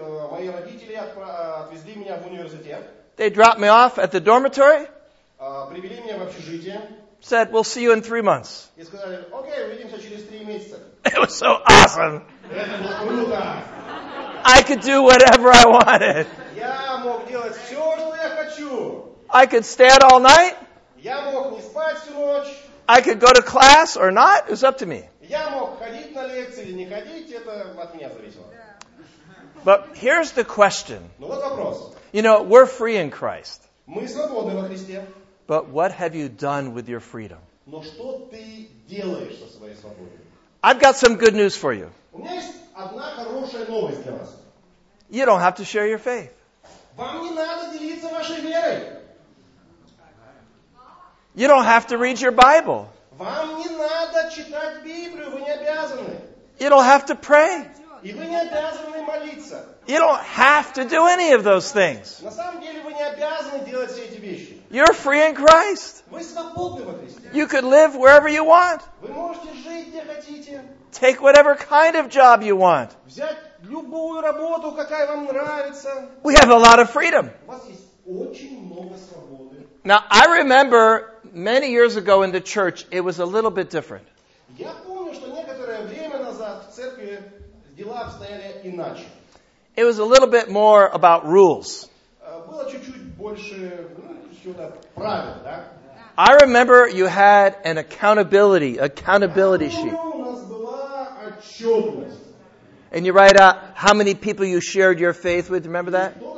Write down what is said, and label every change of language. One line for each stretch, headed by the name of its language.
Russian: Мои родители отвезли меня в университет.
English: They dropped me off at the dormitory.
Russian: Привели меня в общежитие.
English: Said, we'll see you in 3 months.
Russian: И сказали, окей, увидимся через 3 месяца.
English: It was so awesome.
Russian: Это было круто.
English: I could do whatever I wanted.
Russian: Я мог делать все, что я хочу.
English: I could stay out all night.
Russian: Я мог не спать всю ночь.
English: I could go to class or not. It was up to me.
Russian: Я мог ходить на лекции или не ходить, это от меня зависело.
English: But here's the question.
Russian: Ну вот вопрос.
English: You know, we're free in Christ.
Russian: Мы свободны во Христе.
English: But what have you done with your freedom?
Russian: Но что ты делаешь со своей свободой?
English: I've got some good news for you.
Russian: У меня есть одна хорошая новость для вас.
English: You don't have to share your faith.
Russian: Вам не надо делиться вашей верой.
English: You don't have to read your Bible.
Russian: Вам не надо читать Библию, вы не обязаны.
English: You don't have to pray.
Russian: И вы не обязаны молиться.
English: You don't have to do any of those things.
Russian: На самом деле вы не обязаны делать все эти вещи.
English: You're free in Christ.
Russian: Вы свободны во Христе.
English: You could live wherever you want.
Russian: Вы можете жить где хотите.
English: Take whatever kind of job you want.
Russian: Взять любую работу, какая вам нравится.
English: We have a lot of freedom.
Russian: У вас есть очень много свободы.
English: Now, I remember many years ago in the church, it was a little bit different.
Russian: Я помню, что некоторое время назад в церкви дела обстояли иначе.
English: It was a little bit more about rules.
Russian: Было чуть-чуть больше, сюда, правил, да?
English: I remember you had an accountability sheet.
Russian: Я помню, у нас была отчетность.
English: And you write out how many people you shared your faith with, remember that?